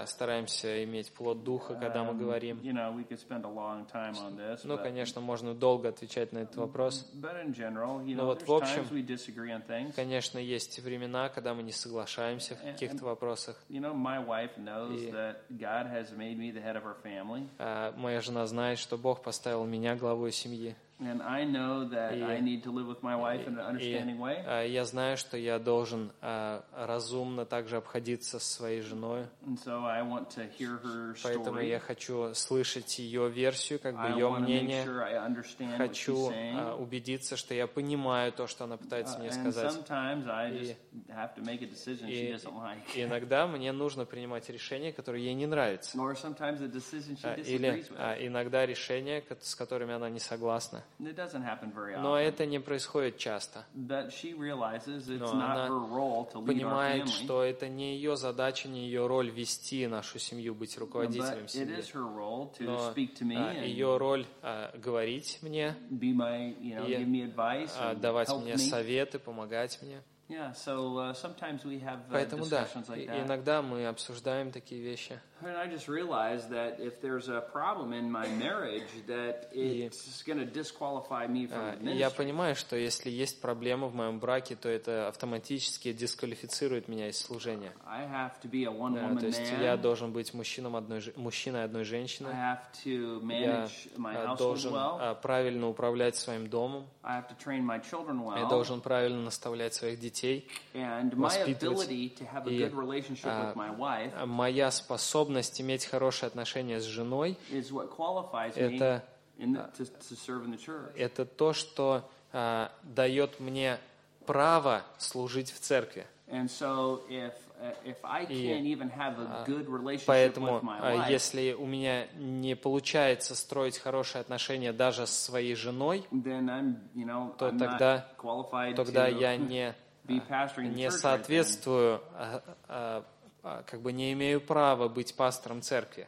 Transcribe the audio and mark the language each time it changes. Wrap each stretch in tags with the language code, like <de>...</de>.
<ru>Мы стараемся иметь плод духа, когда мы говорим.</ru> <en>You know, we could spend a long time on this.</en> <ru>Ну, конечно, можно долго отвечать на этот вопрос.</ru> <en>But in general, you know, there's times we disagree on things.</en> <ru>Конечно, есть времена, когда мы не соглашаемся в каких-то вопросах.</ru> <en>You know, my wife knows that God has made me the head of our family.</en> <ru>Моя жена знает, что Бог поставил меня главой семьи.</ru> <en>And I know that I need to live with my wife in an understanding way.</en> <ru>Я знаю, что я должен разумно также обходиться со своей женой.</ru> <en>And so I want to hear her story.</en> <ru>Поэтому я хочу слышать ее версию, как бы ее мнение. Хочу убедиться, что я понимаю то, что она пытается мне сказать.</ru> <en>And sometimes I just have to make a decision she doesn't like.</en> <ru>Иногда мне нужно принимать решение, которое ей не нравится.</ru> <en>Or sometimes a decision she disagrees with.</en> <ru>Или иногда решения, с которыми она не согласна.</ru> <en>It doesn't happen very often.</en> <ru>Но это не происходит часто.</ru> <en>But she realizes it's not her role to lead our family.</en> <ru>Понимает, что это не ее задача, не ее роль вести нашу семью, быть руководителем семьи.</ru> <en>But it is her role to speak to me.</en> <ru>Ее роль говорить мне.</ru> <en>Be my, you know, give me advice.</en> <ru>Давать мне советы, помогать мне.</ru> <en>Yeah, so sometimes we have</en> <ru>Поэтому,</ru> <en>discussions like that.</en> <ru>Иногда мы обсуждаем такие вещи.</ru> <en>And I just realized that if there's a problem in my marriage, that it's going to disqualify me from the ministry.</en> <ru>Я понимаю, что если есть проблема в моем браке, то это автоматически дисквалифицирует меня из служения.</ru> <en>I have to be a one-woman man.</en> <ru>То есть я должен быть мужчиной одной женщины.</ru> <en>I have to manage my household well.</en> <ru>Я должен правильно управлять своим домом.</ru> <en>I have to train my children well.</en> <ru>Я должен правильно наставлять своих детей,</ru> <en>and my ability to have a good relationship with my wife.</en> <ru>Моя способность иметь хорошие отношения с женой</ru> <en>is what qualifies me to serve in the church.</en> <ru>Это то, что дает мне право служить в церкви.</ru> <en>And so if I can't even have a good relationship</en> <ru>поэтому,</ru> <en>with my wife,</en> <ru>если у меня не получается строить хорошие отношения даже со своей женой,</ru> <en>then I'm, you know,</en> <ru>то</ru> <en>I'm</en> <ru>тогда,</ru> <en>not qualified</en> <ru>тогда</ru> <en>to...</en> <ru>я не не соответствую, как бы не имею права быть пастором церкви.</ru>